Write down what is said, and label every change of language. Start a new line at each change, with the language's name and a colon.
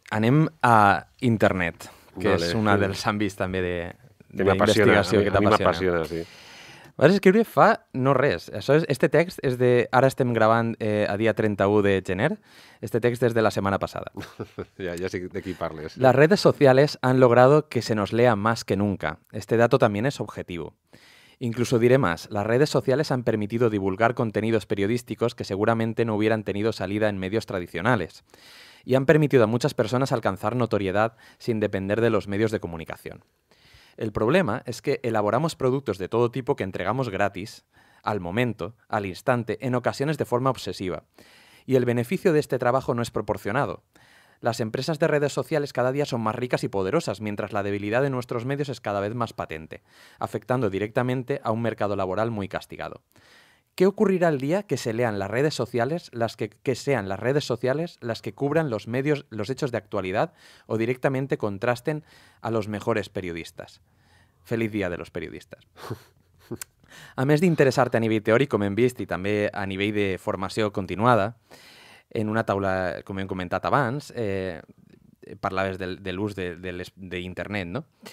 Catalan: Anem a internet, que és un dels àmbits també de investigació que t'apassiona. A mi m'apassiona, sí. Vas escriure fa no res. Això és, este text és de... Ara estem gravant a dia 31 de gener. Este text és de la setmana passada. Ja sé de qui parles.
Spanish: Las redes sociales han logrado que se nos lea más que nunca. Este dato también es objetivo. Incluso diré más, las redes sociales han permitido divulgar contenidos periodísticos que seguramente no hubieran tenido salida en medios tradicionales y han permitido a muchas personas alcanzar notoriedad sin depender de los medios de comunicación. El problema es que elaboramos productos de todo tipo que entregamos gratis, al momento, al instante, en ocasiones de forma obsesiva, y el beneficio de este trabajo no es proporcionado. Las empresas de redes sociales cada día son más ricas y poderosas, mientras la debilidad de nuestros medios es cada vez más patente, afectando directamente a un mercado laboral muy castigado. ¿Qué ocurrirá el día que se lean las redes sociales, las que cubran los medios, los hechos de actualidad o directamente contrasten a los mejores periodistas? Feliz Día de los Periodistas.
Catalan: A més d'interessar-te a nivell teòric, com hem vist, i també a nivell de formació continuada, en una taula, com hem comentat abans, parlaves de l'ús d'internet, no?